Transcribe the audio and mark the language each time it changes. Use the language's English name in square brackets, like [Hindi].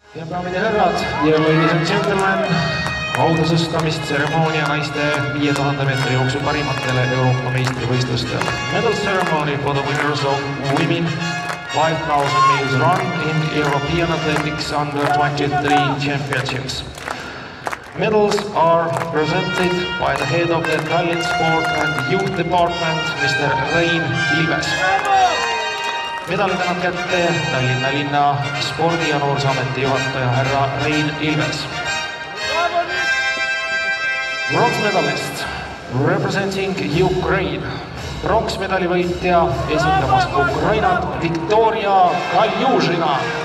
[Estonian] daamid ja härrad ja [English] ladies and gentlemen, [Estonian] autasustamist seremoonia naiste 5000 meetri jooksul parimatele Euroopa meistrivõistlustele. [English] Medal ceremony for the winners of women 5000 meters run in European Athletics Under 23 Championships. Medals are presented by the head of the Tallinn Sport and Youth Department, Mr. Rein Ilves. [Estonian] Medalid annab kätte Tallinna linna spordi- ja noorsaameti juhataja härra Rein Ilves. [English] Bronze medalist representing Ukraine. [Estonian] Bronze medali võitja esindamas Ukrainat Viktoria Kaljužina.